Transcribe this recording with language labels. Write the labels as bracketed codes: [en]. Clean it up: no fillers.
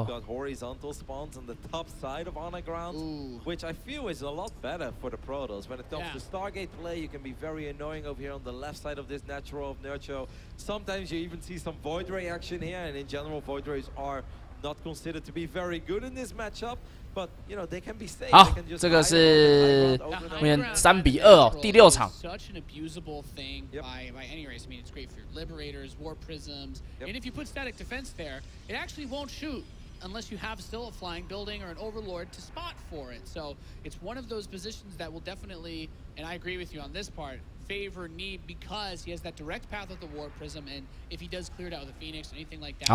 [en] We've got horizontal spawns on the top side of Underground, which I feel is a lot better for the Protoss. When it comes to Stargate play, you can be very annoying over here on the left side of this natural of Nurcio. Sometimes you even see some Void Ray action here, and in general, Void Rays are not considered to be very good in this matchup. But, you know, they can be safe. [zh] 好，这个是我们三比二哦，第六场。 [en] Such an abusable thing by any race. I mean, it's great for your liberators, war prisms, and if you put static defense there, it actually won't shoot unless you have still a flying building or an overlord to spot for it. So it's one of those positions that will definitely, and I agree with you on this part, favor Neeb because he has that direct path with the war prism, and if he does clear it out with a phoenix or anything like that,